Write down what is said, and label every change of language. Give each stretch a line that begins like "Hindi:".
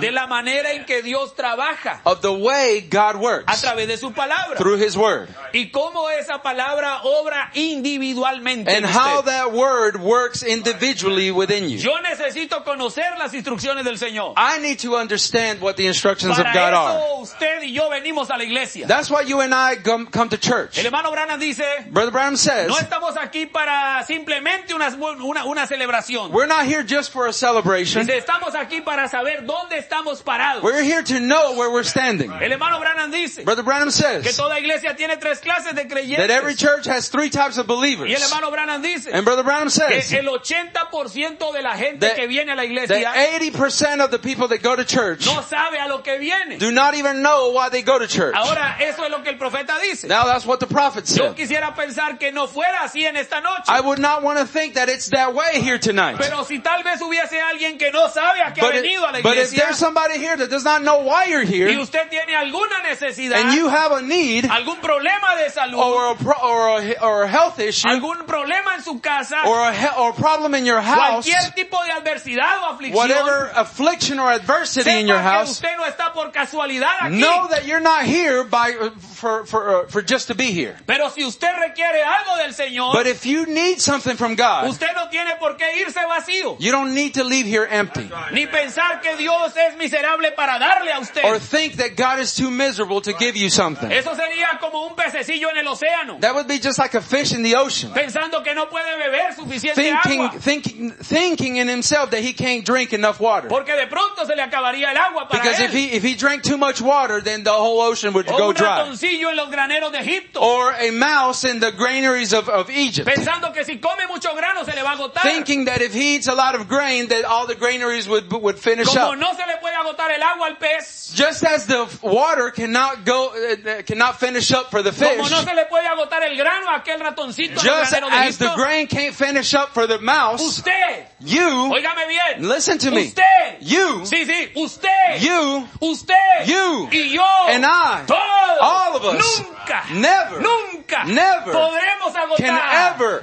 Spanish: De la manera en que Dios trabaja.
English: Of the way God works.
Spanish: A través de su palabra.
English: Through His word.
Spanish: Y cómo esa palabra obra individualmente.
English: And how that word works individually within you.
Spanish: Yo necesito conocer las instrucciones del Señor.
English: I need to understand what the instructions of God are.
Spanish: Para eso usted y yo venimos a la iglesia.
English: That's why you and I come to church.
Spanish: El hermano Branham dice,
English: Brother Branham says,
Spanish: no estamos aquí para simplemente una celebración.
English: We're not here just for a celebration.
Spanish: Dice, estamos aquí para saber dónde estamos parados.
English: We're here to know where we're standing.
Spanish: El hermano Branham dice,
English: Brother Branham says,
Spanish: que toda iglesia tiene tres clases de creyentes.
English: That every church has three types of believers.
Spanish: Y el hermano Branham dice,
English: and Brother Branham says,
Spanish: que el 80% de la gente que viene a la iglesia,
English: that 80% of the people that go to church,
Spanish: no sabe a lo que viene.
English: Do not even know why they go to church.
Spanish: Ahora, eso es lo que el profeta dice.
English: Now that's what the prophet said.
Spanish: Yo quisiera pensar que no fuera así en esta noche.
English: I would not want to think that it's that way here tonight.
Spanish: Pero si tal vez hubiese alguien que no sabe a qué ha venido a la iglesia.
English: But if there's somebody here that does not know why you're here.
Spanish: Y usted tiene alguna necesidad.
English: And you have a need.
Spanish: Algún problema de salud.
English: Or a health issue.
Spanish: Algún problema en su casa.
English: Or a problem in your house.
Spanish: Cualquier tipo de adversidad o aflicción.
English: Whatever affliction or adversity in your house,
Spanish: usted no está por casualidad aquí.
English: Know that you're not here for just to be here.
Spanish: Pero si usted requiere algo del Señor,
English: but if you need something from God,
Spanish: usted no tiene por qué irse vacío.
English: You don't need to leave here empty.
Spanish: Ni pensar que Dios es miserable para darle a usted.
English: Or think that God is too miserable to give you something.
Spanish: Eso sería como un pececillo en el océano.
English: That would be just like a fish in the ocean.
Spanish: Pensando que no puede beber suficiente agua.
English: Thinking in himself that he can't drink enough water.
Spanish: Porque de pronto se le acabaría el agua para
English: because
Spanish: él.
English: If he drank too much water, then the whole ocean would go dry.
Spanish: En los graneros de Egipto.
English: Or a mouse in the granaries of Egypt.
Spanish: Pensando que si come mucho grano, se le va a agotar.
English: Thinking that if he eats a lot of grain, that all the granaries would finish
Spanish: como
English: up.
Spanish: No se le puede agotar el agua al pez.
English: Just as the water cannot finish up for the fish.
Spanish: Como no se le puede agotar el grano a aquel ratoncito.
English: Just
Spanish: en los
English: as the grain can't finish up for the mouse.
Spanish: Usted.
English: You.
Spanish: Óigame bien.
English: Listen to me.
Spanish: Usted.
English: You.
Spanish: Sí, sí. Usted.
English: You.
Spanish: Usted.
English: You.
Spanish: Y yo.
English: And I.
Spanish: Todos.
English: All of us.
Spanish: Nunca.
English: Never.
Spanish: Nunca.
English: Never.
Spanish: Podremos agotar.
English: Can ever.